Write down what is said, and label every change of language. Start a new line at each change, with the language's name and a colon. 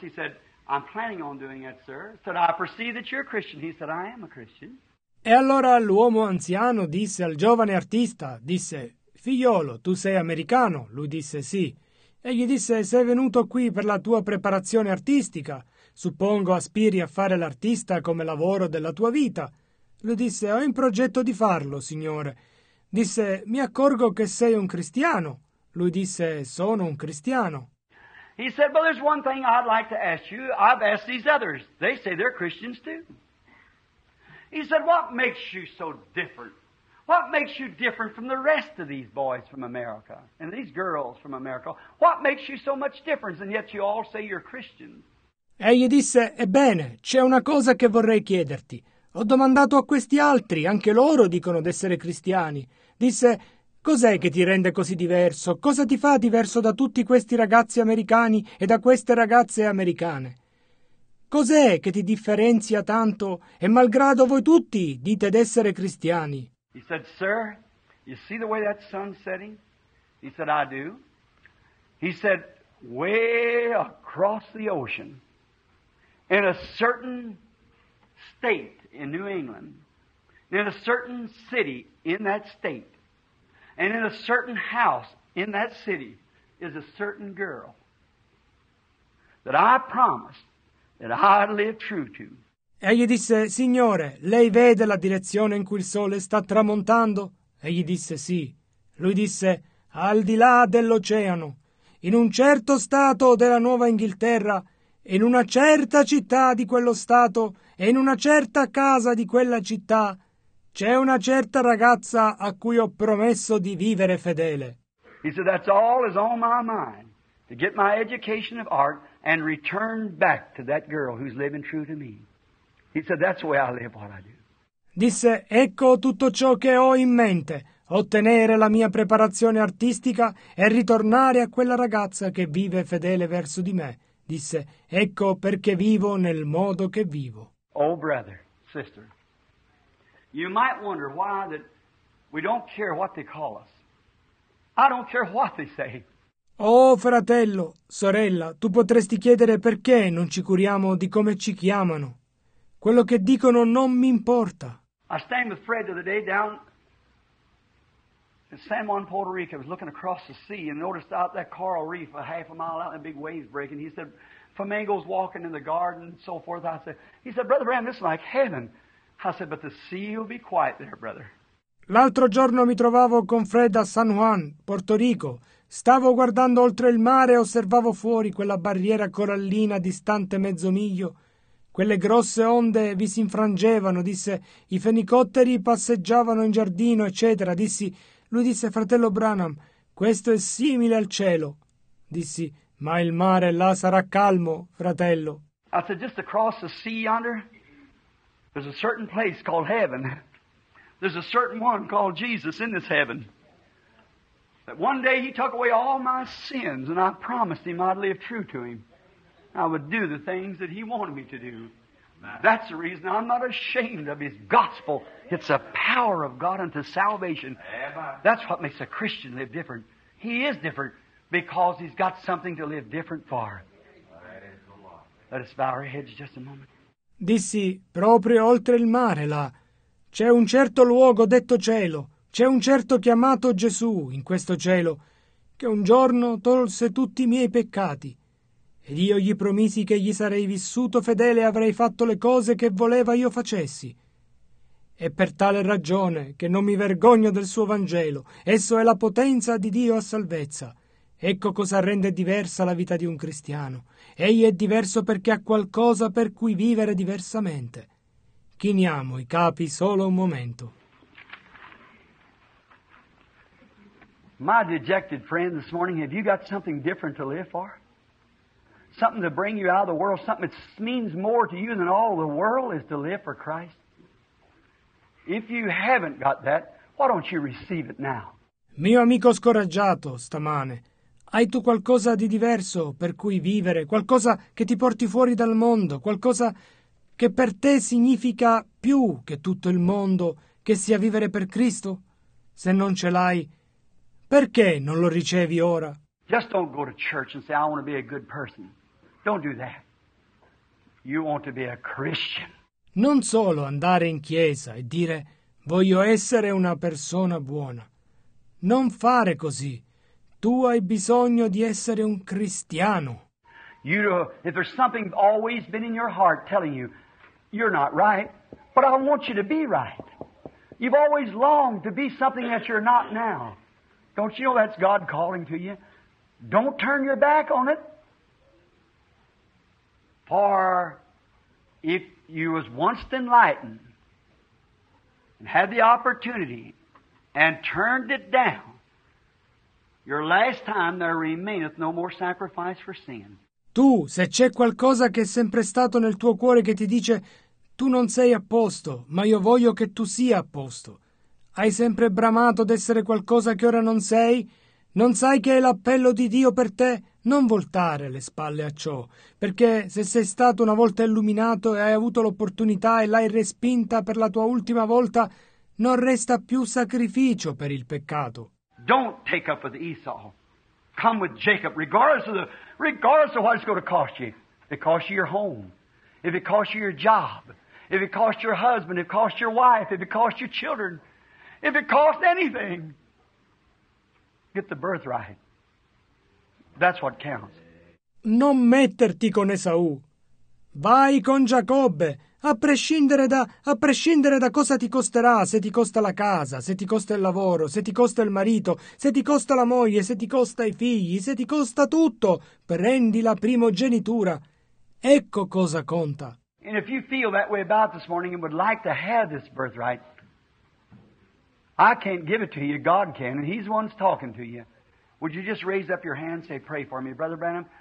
English: He said, I'm planning on doing it, sir. He said, I perceive that you're a Christian. He said, I am a Christian.
Italian: E allora l'uomo anziano disse al giovane artista, disse, figliolo, tu sei americano? Lui disse, sì. E gli disse, sei venuto qui per la tua preparazione artistica? Suppongo aspiri a fare l'artista come lavoro della tua vita. Lui disse, ho in progetto di farlo, signore. Disse, mi accorgo che sei un cristiano. Lui disse, sono un cristiano.
English: He said, well, there's one thing I'd like to ask you. I've asked these others. They say they're Christians too. He said, what makes you so different? What makes you different from the rest of these boys from America and these girls from America? What makes you so much different and yet you all say you're Christians?
Italian: Egli disse, ebbene, c'è una cosa che vorrei chiederti. Ho domandato a questi altri, anche loro dicono d'essere cristiani. Disse, cos'è che ti rende così diverso? Cosa ti fa diverso da tutti questi ragazzi americani e da queste ragazze americane? Cos'è che ti differenzia tanto e malgrado voi tutti dite d'essere cristiani?
English: He said, sir, you see the way that sun's setting? He said, I do. He said, way across the ocean, in a certain state in New England, in a certain city in that state, and in a certain house in that city is a certain girl that I promised that I'd live true to.
Italian: Egli disse, signore, lei vede la direzione in cui il sole sta tramontando? Egli disse, sì. Lui disse, al di là dell'oceano, in un certo stato della Nuova Inghilterra, in una certa città di quello stato e in una certa casa di quella città, c'è una certa ragazza a cui ho promesso di vivere fedele.
English: He said, that's all is on my mind, to get my education of art and return back to that girl who's living true to me. He said, that's the way I live what I do.
Italian: Disse, ecco tutto ciò che ho in mente, ottenere la mia preparazione artistica e ritornare a quella ragazza che vive fedele verso di me. Disse, ecco perché vivo nel modo che vivo.
English: Oh, brother, sister, you might wonder why that we don't care what they call us. I don't care what they say.
Italian: Oh, fratello, sorella, tu potresti chiedere perché non ci curiamo di come ci chiamano. Quello che dicono non mi importa.
English: I stayed with Fred the other day down in San Juan, Puerto Rico. I was looking across the sea and noticed out that coral reef a half a mile out and big waves breaking. He said, flamingos walking in the garden and so forth. He said, Brother Bram, this is like heaven. I said, but the sea will be quiet there, brother.
Italian: L'altro giorno mi trovavo con Fred a San Juan, Puerto Rico. Stavo guardando oltre il mare e osservavo fuori quella barriera corallina distante mezzo miglio. Quelle grosse onde vi si infrangevano, disse, i fenicotteri passeggiavano in giardino, eccetera. Lui disse, fratello Branham, questo è simile al cielo. Dissi, ma il mare là sarà calmo, fratello.
English: I said, just across the sea yonder, there's a certain place called heaven. There's a certain one called Jesus in this heaven. That one day he took away all my sins and I promised him I'd live true to him. I would do the things that he wanted me to do. That's the reason I'm not ashamed of his gospel. It's a power of God unto salvation. That's what makes a Christian live different. He is different because he's got something to live different for. Let us bow our heads just a moment.
Italian: Dissi, proprio oltre il mare là, c'è un certo luogo detto cielo, c'è un certo chiamato Gesù in questo cielo, che un giorno tolse tutti i miei peccati. Ed io gli promisi che gli sarei vissuto fedele e avrei fatto le cose che voleva io facessi. È per tale ragione che non mi vergogno del suo Vangelo. Esso è la potenza di Dio a salvezza. Ecco cosa rende diversa la vita di un cristiano. Egli è diverso perché ha qualcosa per cui vivere diversamente. Chiniamo i capi solo un momento.
English: My dejected friend this morning, have you got something different to live for? Something to bring you out of the world, something that means more to you than all the world is to live for Christ. If you haven't got that, why don't you receive it now?
Italian: Mio amico scoraggiato, stamane, hai tu qualcosa di diverso per cui vivere, qualcosa che ti porti fuori dal mondo, qualcosa che per te significa più che tutto il mondo, che sia vivere per Cristo? Se non ce l'hai, perché non lo ricevi ora?
English: Just don't go to church and say I want to be a good person. Don't do that. You want to be a Christian.
Italian: Non solo andare in chiesa e dire voglio essere una persona buona. Non fare così. Tu hai bisogno di essere un cristiano.
English: You know, if there's something always been in your heart telling you you're not right, but I want you to be right. You've always longed to be something that you're not now. Don't you know that's God calling to you? Don't turn your back on it. For if you was once enlightened and had the opportunity and turned it down, your last time there remaineth no more sacrifice for sin.
Italian: Tu, se c'è qualcosa che è sempre stato nel tuo cuore che ti dice tu non sei a posto, ma io voglio che tu sia a posto, hai sempre bramato d'essere qualcosa che ora non sei? Non sai che è l'appello di Dio per te? Non voltare le spalle a ciò, perché se sei stato una volta illuminato e hai avuto l'opportunità e l'hai respinta per la tua ultima volta, non resta più sacrificio per il peccato.
English: Don't take up with Esau. Come with Jacob, regardless of what it's going to cost you. If it costs you your home, if it costs you your job, if it costs your husband, if it costs your wife, if it costs your children, if it costs anything. Get the birthright. That's what counts.
Italian: Non metterti con Esau. Vai con Giacobbe. A prescindere da cosa ti costerà, se ti costa la casa, se ti costa il lavoro, se ti costa il marito, se ti costa la moglie, se ti costa i figli, se ti costa tutto, prendi la primogenitura. Ecco cosa conta.
English: And if you feel that way about this morning and would like to have this birthright, I can't give it to you. God can, and He's the one's talking to you. Would you just raise up your hand and say, pray for me, Brother Branham?